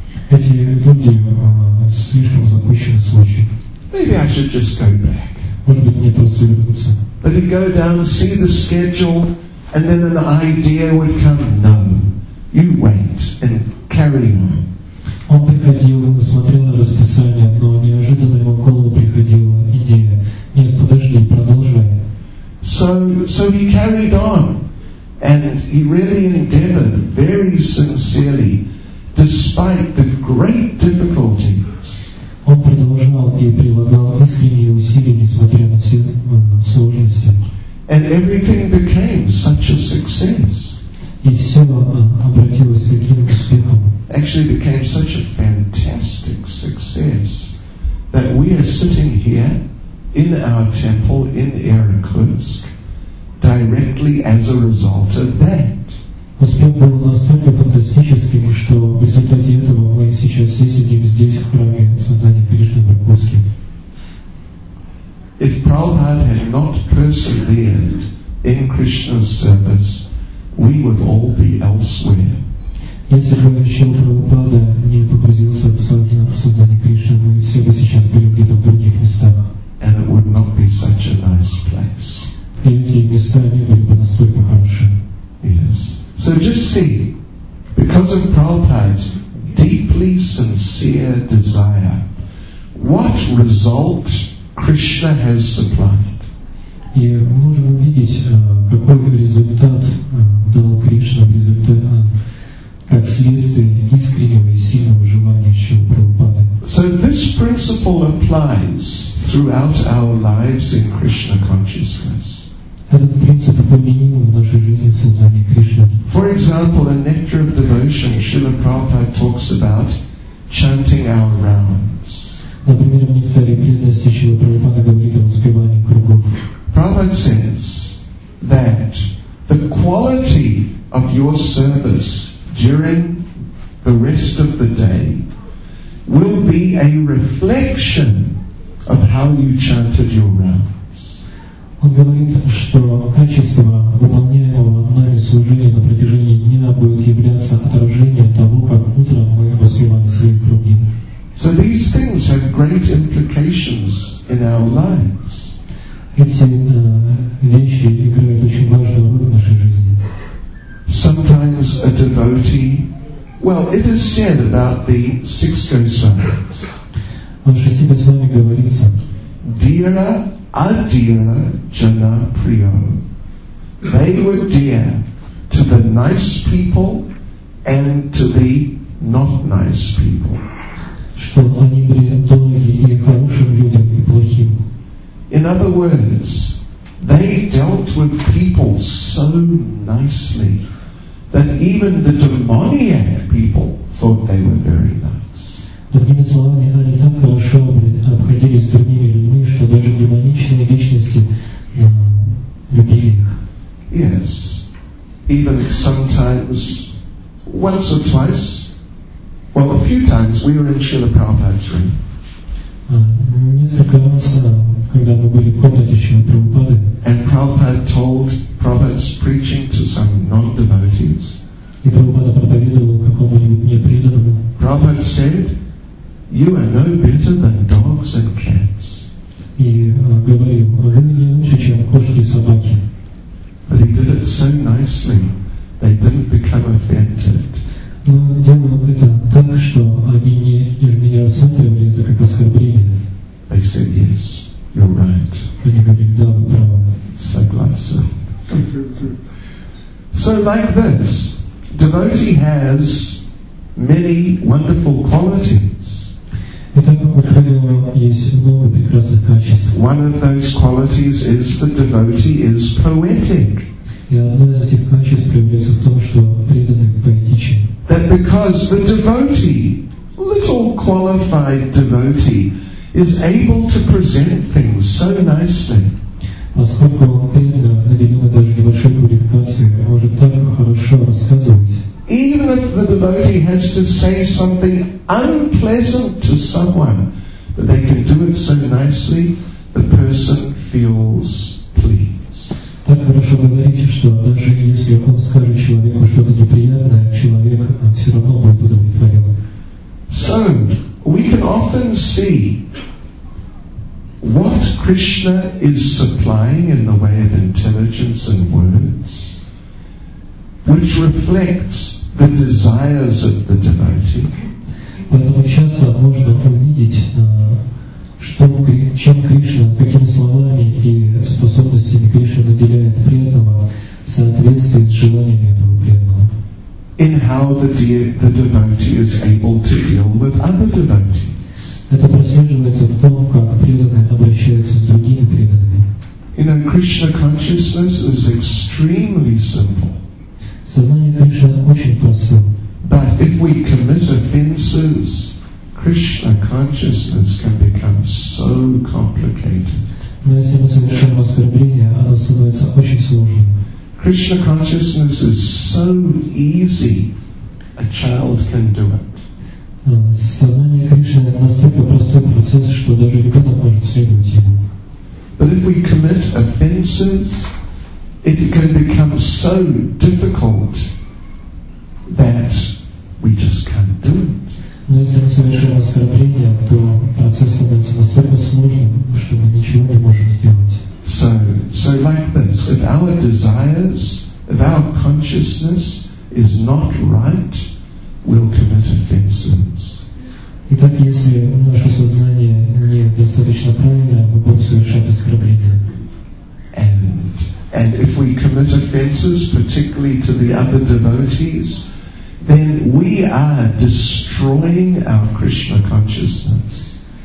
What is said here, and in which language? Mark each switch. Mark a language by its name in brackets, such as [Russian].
[Russian] эти люди слишком запущены случаи. [English] Maybe I should just go back. [Russian] Может быть, мне просто вернуться. [English] But he'd go down and see the schedule, and then an idea would come. No, you wait and carry on. [Russian] Он приходил, он смотрел на расписание, но неожиданно ему в голову приходила идея. Нет, подожди, продолжай. [English] So he carried on, and he really endeavored very sincerely, despite the great difficulties. [Russian] Он продолжал и прилагал искренние усилия, несмотря на все сложности. [English] And everything became such a success. [Russian] И все обратилось таким успехом. [English] Actually became such a fantastic success that we are sitting here in our temple in Irkutsk directly as a result of that. [Russian] Успех был настолько фантастическим, что в результате этого мы сейчас все сидим здесь, в храме создания Кришны в Иркутске. [English] If Prabhupada had not persevered in Krishna's service, we would all be elsewhere. [Russian] Если бы Шрила Прабхупада не погрузился в создание Кришны, мы все бы сейчас были где-то в других местах. [English] And it would not be such a nice place. [Russian] И эти места не были бы настолько хороши. [English] Yes. So just see, because of Prabhupada's deeply sincere desire, what result Krishna has supplied. [Russian] И мы можем увидеть, какой результат дал Кришна в результате, как следствие искреннего и сильного желания Шрилы Прабхупады. [English] So this principle applies throughout our lives in Krishna consciousness. [Russian] Этот принцип применим в нашей жизни в сознании Кришны. [English] For example, in Nectar of Devotion, Srila Prabhupada talks about chanting our rounds. [Russian] Например, в Нектаре преданности Шрила Прабхупада говорит о воспевании кругов. [English] Prabhupada says that the quality of your service during the rest of the day will be a reflection of how you chanted your rounds. [Russian] Он говорит, что качество выполняемого нами служения на протяжении дня будет являться отражением того, как утром мы воспевали свои круги. [English] So these things have great implications in our lives. [Russian] Эти вещи играют очень важную роль в нашей жизни. [English] Sometimes a devotee, well, it is said about the six Goswamis. [Russian] Он шести Госвами говорится. [Sanskrit] Dira, adira, jana, priyo. [English] They were dear to the nice people and to the not nice people. [Russian] Что они были дороги и хорошим людям, и плохим. [English] In other words, they dealt with people so nicely that even the demoniac people thought they were very nice. [Russian] Другими словами, они так хорошо обходились с другими людьми, что даже демоничные личности любили их. [English] Yes. Even sometimes, once or twice, well, a few times, we were in Srila Prabhupada's room. [Russian] Несколько раз, когда мы были в комнате Шрилы Прабхупады, [English] and Prabhupada told Prabhupada's preaching to some non-devotees. [Russian] И Прабхупада проповедовал какому-нибудь непреданному. [English] Prabhupada said, "You are no better than dogs and cats." [Russian] И говорил, вы не лучше, чем кошки и собаки. [English] But he did it so nicely, they didn't become offended. [Russian] Но делал это так, что они не рассматривали это как оскорбление. [English] They said, "Yes, you're right." [Russian] Они говорили, да, вы правы. Согласен. [English] So like this, devotee has many wonderful qualities. [Russian] Итак, у преданного есть много прекрасных качеств. [English] One of those qualities is the devotee is poetic. [Russian] И одно из этих качеств проявляется в том, что преданный поэтичен. [English] That because the devotee, little qualified devotee, is able to present things so nicely. [Russian] Поскольку он преданно наделен даже небольшой квалификацией, может так хорошо рассказывать. [English] Even if the devotee has to say something unpleasant to someone, but they can do it so nicely, the person feels pleased. [Russian] Так хорошо говорите, что даже если он скажет человеку что-то неприятное, человек все равно будет удовлетворен. [English] So, we can often see what Krishna is supplying in the way of intelligence and words, which reflects the desires of the devotee. [Russian] Поэтому часто можно увидеть, что, чем Кришна, какими словами и способностями Кришна наделяет преданного в соответствии с желаниями этого преданного. [English] In how the devotee is able to deal with other devotees. [Russian] Это прослеживается в том, как преданный обращается с другими преданными. [English] In a Krishna consciousness is extremely simple. [Russian] Сознание Кришны очень просто. [English] But if we commit offenses, Krishna consciousness can become so complicated. [Russian] Но если мы совершаем оскорбление, оно становится очень сложным. [English] Krishna consciousness is so easy, a child can do it. [Russian] Сознание Кришны настолько простой процесс, что даже ребенок может следовать ему. [English] But if we commit offenses, it can become so difficult that we just can't do it. [Russian] Но если мы совершаем оскорбление, то процесс становится настолько сложным, что мы ничего не можем сделать. [English] So like this, if our desires, if our consciousness is not right, we'll commit offenses. [Russian] Итак, если наше сознание не достаточно правильное, мы будем совершать оскорбление. [English] And if we commit offenses, particularly to the other devotees, then we are destroying our Krishna consciousness.